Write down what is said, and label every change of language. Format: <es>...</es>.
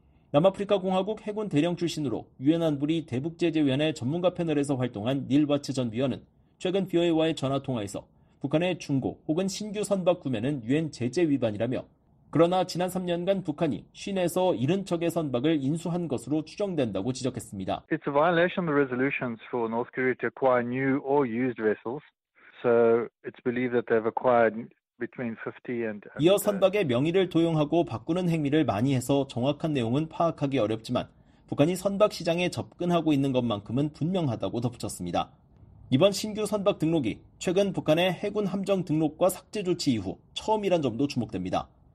<ko>남아프리카공화국 해군 대령 출신으로 유엔 안보리 대북제재위원회 전문가 패널에서 활동한 닐 바츠 전 위원은 최근 BOE와의 전화 통화에서 북한의 중고 혹은 신규 선박 구매는 유엔 제재 위반이라며 그러나 지난 3년간 북한이 50에서 70척의 선박을 인수한 것으로 추정된다고 지적했습니다.</ko> <en>It's a violation of the resolutions for North Korea to acquire new or used vessels. So it's believed that they've acquired between 50 and</en> <ko>이어 선박의 명의를 도용하고 바꾸는 행위를 많이 해서 정확한 내용은 파악하기 어렵지만 북한이 선박 시장에 접근하고 있는 것만큼은 분명하다고 덧붙였습니다. 이번 신규 선박 등록이 최근 북한의 해군 함정 등록과 삭제 조치 이후 처음이란 점도 주목됩니다.</ko>